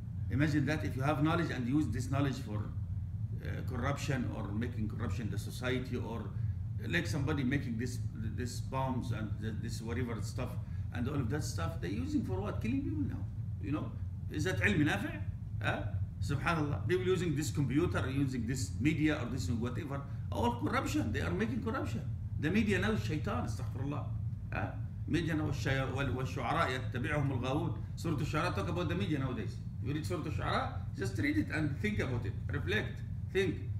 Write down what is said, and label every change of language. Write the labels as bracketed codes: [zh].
[en] Imagine that if you have knowledge and use this knowledge for corruption or making corruption the society, or like somebody making this bombs and this whatever stuff and all of that stuff, they're using for what? Killing people now. You know, is that ilm nafi'? Subhanallah. People using this computer, using this media or this whatever, all corruption. They are making corruption. The media now is shaitan, astaghfirullah. [ar] مدين والشعراء يتبعهم الغاوون. [en] سورة الشعراء talk about the Midian nowadays. You read سورة الشعراء, just read it and think about it, reflect, think.